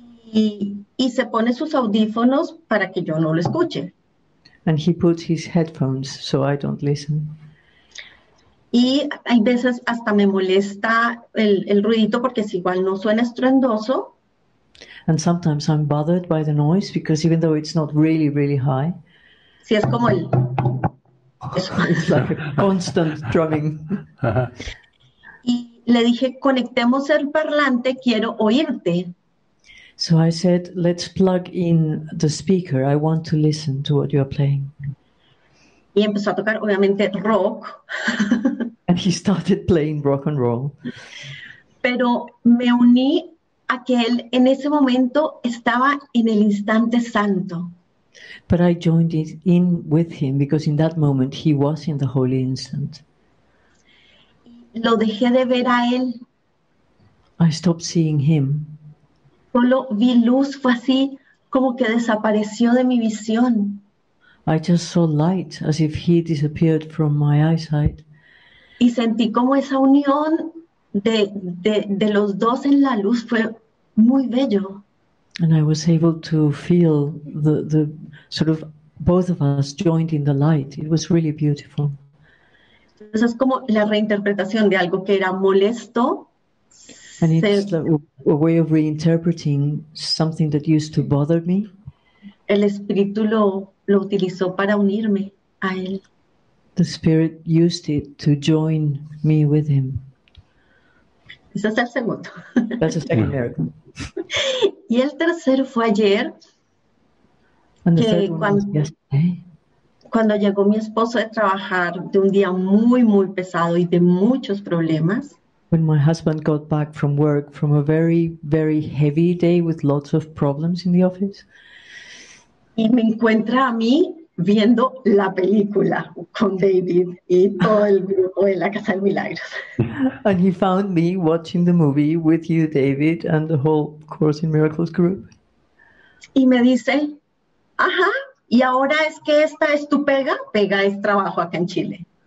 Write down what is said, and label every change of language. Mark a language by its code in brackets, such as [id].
[es] Y se pone sus audífonos para que yo no lo escuche. [en] And he puts his headphones so I don't listen. [es] Y hay veces hasta me molesta el ruidito porque es igual no suena estruendoso. [en] And sometimes I'm bothered by the noise because even though it's not really, really high. [es] Sí, es como el... [en] It's like a constant drumming. [es] Y le dije, conectemos el parlante, quiero oírte. [en] So I said, let's plug in the speaker. I want to listen to what you are playing. [es] Y empezó a tocar, obviamente, rock. [en] And he started playing rock and roll. [es] Pero me uní a que él en ese momento estaba en el instante santo. [en] But I joined it in with him because in that moment he was in the holy instant. [es] Lo dejé de ver a él. [en] I stopped seeing him. [es] Solo vi luz, fue así como que desapareció de mi visión. [en] I just saw light as if he disappeared from my eyesight. [es] Y sentí como esa unión de los dos en la luz fue muy bello. [en] And I was able to feel the sort of both of us joined in the light. It was really beautiful. [es] Entonces es como la reinterpretación de algo que era molesto. [en] And it's a way of reinterpreting something that used to bother me. [es] El espíritu lo utilizó para unirme a él. [en] The spirit used it to join me with him. [es] Ese es el segundo. [en] That's the second miracle. [es] Y el tercero fue ayer, que cuando llegó mi esposo de trabajar de un día muy muy pesado y de muchos problemas. [en] When my husband got back from work from a very very heavy day with lots of problems in the office. [es] Y me encuentra a mí viendo la película con David y todo el grupo de la Casa del Milagro. [en] And he found me watching the movie with you, David, and the whole Course in Miracles group. [es] Y me dice, ajá, y ahora es que esta es tu pega, pega es trabajo acá en Chile.